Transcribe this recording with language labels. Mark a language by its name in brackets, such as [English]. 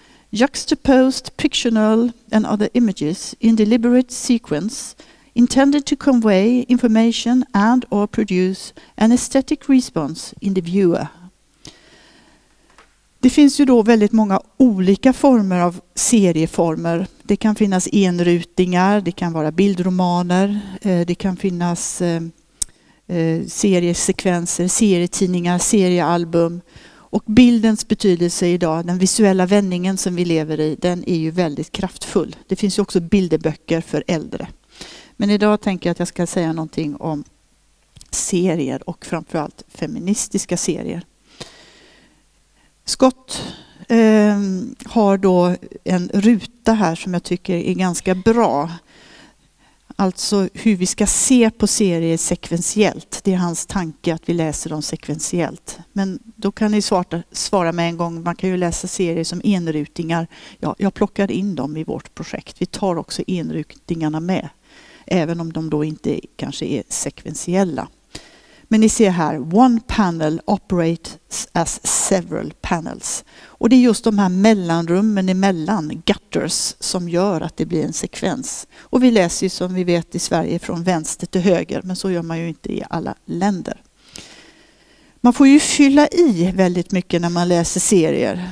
[English] Juxtaposed, pictorial and other images in deliberate sequence, intended to convey information and or produce an aesthetic response in the viewer. [Swedish] Det finns ju då väldigt många olika former av serieformer. Det kan finnas enrutingar, det kan vara bildromaner, det kan finnas seriesekvenser, serietidningar, seriealbum. Och bildens betydelse idag, den visuella vändningen som vi lever i, den är ju väldigt kraftfull. Det finns ju också bilderböcker för äldre. Men idag tänker jag att jag ska säga någonting om serier och framförallt feministiska serier. Scott har då en ruta här som jag tycker är ganska bra. Alltså hur vi ska se på serier sekventiellt. Det är hans tanke att vi läser dem sekventiellt. Men då kan ni svara med en gång. Man kan ju läsa serier som enrutingar. Ja, jag plockar in dem i vårt projekt. Vi tar också enrutingarna med. Även om de då inte kanske är sekventiella. Men ni ser här, [English] one panel operates as several panels. [Swedish] Och det är just de här mellanrummen emellan, gutters, som gör att det blir en sekvens. Och vi läser ju som vi vet i Sverige från vänster till höger, men så gör man ju inte i alla länder. Man får ju fylla i väldigt mycket när man läser serier.